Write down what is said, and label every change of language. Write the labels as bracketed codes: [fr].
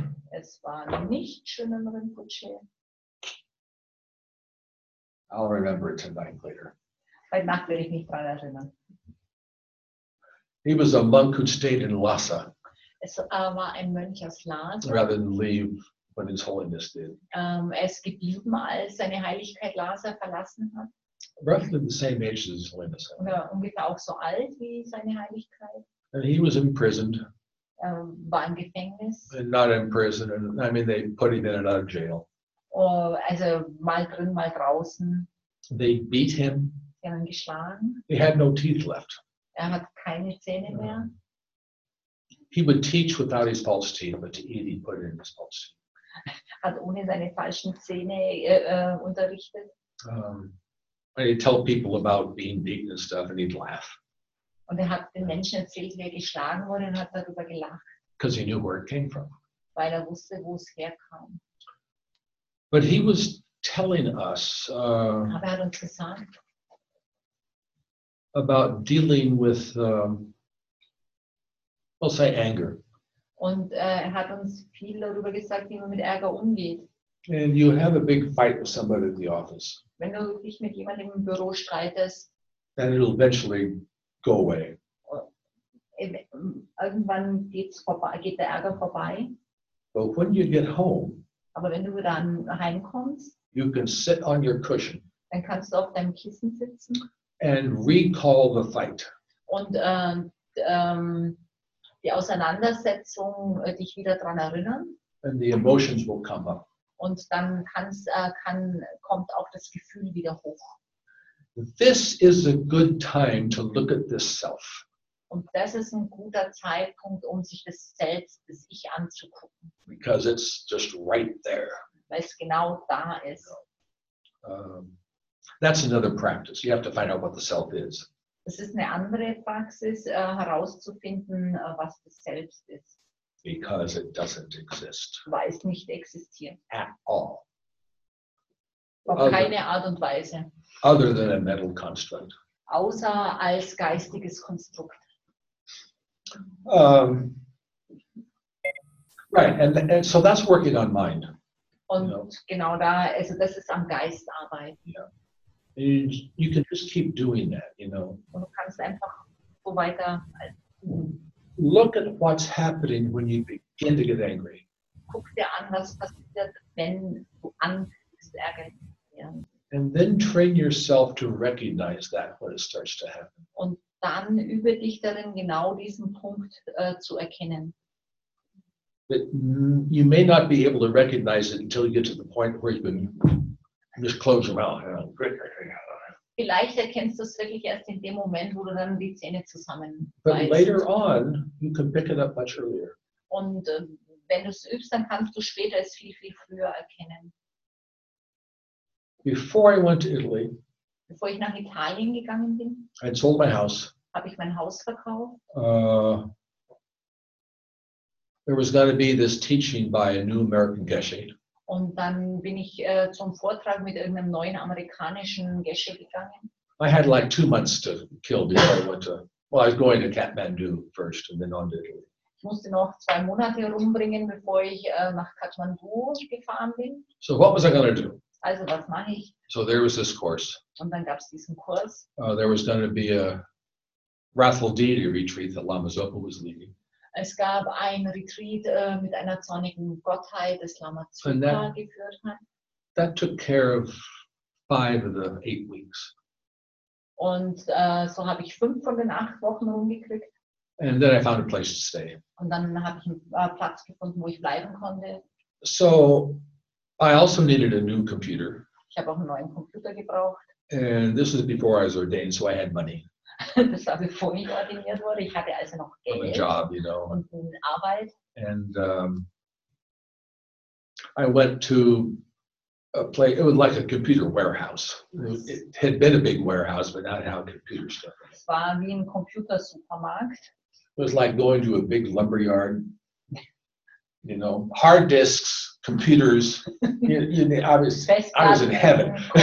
[de] Es war nicht Chödrön Rinpoche. [en] I'll remember it tonight later. [de] Bei Nacht werde ich mich daran erinnern. [en] He was a monk who stayed in Lhasa. [de] Es war ein Mönch aus Lhasa. [en] Rather than leave when his holiness did. [de] Es geblieben, als seine Heiligkeit Lhasa verlassen hat. [en] Roughly the same age as his holiness. [de] Ja, ungefähr auch so alt wie seine Heiligkeit. [en] And he was imprisoned. [de] War im Gefängnis. [en] And not in prison. I mean, they put him in another jail. [de] Also mal drin, mal draußen. [en] They beat him. [de] Sie haben ihn geschlagen. [en] He had no teeth left. [de] Er hat keine Zähne mehr. [en] He would teach without his false teeth, but to eat, he put it in his false teeth. [de] Hat ohne seine falschen Zähne unterrichtet. [en] And he'd tell people about being beaten and stuff, and he'd laugh. [de] Und er hat den Menschen erzählt, wie er geschlagen wurde, und hat darüber gelacht. [en] Because he knew where it came from. [de] Weil er wusste, wo es herkam. [en] But he was telling us about dealing with, we'll say anger. [de] Und er hat uns viel darüber gesagt, wie man mit Ärger umgeht. [en] And you have a big fight with somebody in the office. [de] Wenn du dich mit jemandem im Büro streitest. [en] Then it'll eventually go away. [de] Irgendwann geht der Ärger vorbei. [en] But when you get home. [de] Aber wenn du dann heimkommst, [en] you can sit on your cushion, [de] dann kannst du auf deinem Kissen sitzen [en] and recall the fight. [de] Und die Auseinandersetzung dich wieder daran erinnern. [en] And the emotions will come up. [de] Und dann kommt auch das Gefühl wieder hoch. [en] This is a good time to look at this self. [de] Und das ist ein guter Zeitpunkt, um sich das Selbst, das Ich anzugucken. [en] Because it's just right there. [de] Weil es genau da ist. [en] That's another practice. You have to find out what the self is. [de] Das ist eine andere Praxis, herauszufinden, was das Selbst ist. [en] Because it doesn't exist. [de] Weil es nicht existiert. [en] At all. [de] Auf keine Art und Weise. [en] Other than a mental construct. [de] Außer als geistiges Konstrukt. [en] Right, and so that's working on mind. [de] Und [en] you know? [de] Genau da, also das ist am Geist arbeiten. [en] Yeah. And you can just keep doing that, you know. [de] Und du kannst einfach so weiter. [en] Look at what's happening when you begin to get angry. [de] Guck dir an, was passiert, wenn du anfängst, Ärger zu bekommen. [en] And then train yourself to recognize that when it starts to happen. [de] Und dann übe dich darin, genau diesen Punkt zu erkennen. [en] You may not be able to recognize it until you get to the point where you've been just close your mouth. [de] Vielleicht erkennst du es wirklich erst in dem Moment, wo du dann die Zähne zusammenbeißt. [en] But later on, you can pick it up much earlier. [de] Und wenn du es übst, dann kannst du später es viel, viel früher erkennen. [en] Before I went to Italy, [de] bevor ich nach Italien gegangen bin, [en] I sold my house. [de] Habe ich mein Haus verkauft. [en] There was going to be this teaching by a new American Geshe. [de] Und dann bin ich zum Vortrag mit irgendeinem neuen amerikanischen Geshe gegangen. [en] I had like 2 months to kill before I went to. Well, I was going to Kathmandu first and then on to Italy. [de] Ich musste noch 2 Monate rumbringen, bevor ich nach Kathmandu gefahren bin. [en] So what was I going to do? [de] Also, was mache ich? [en] So there was this course. [de] Und dann gab's diesen Kurs. [en] There was going to be a wrathful deity retreat that Lama Zopa was leading. [de] Es gab ein Retreat mit einer zornigen Gottheit, das Lama Zopa geführt hat. [en] That took care of 5 of the 8 weeks. [de] Und so habe ich 5 von den 8 Wochen rumgekriegt. [en] And then I found a place to stay. [de] Und dann habe ich einen Platz gefunden, wo ich bleiben konnte. [en] So I also needed a new computer. [de] Ich habe auch einen neuen Computer gebraucht. [en] And this was before I was ordained, so I had money. [de] Das war bevor ich ordiniert wurde. Ich hatte also noch Geld. [en] A job, you know. [de] Und eine Arbeit. [en] And I went to a place, it was like a computer warehouse. It had been a big warehouse, but not how computer stuff. [de] Es war wie ein Computersupermarkt. [en] It was like going to a big lumberyard. You know, hard disks, computers. I was in heaven.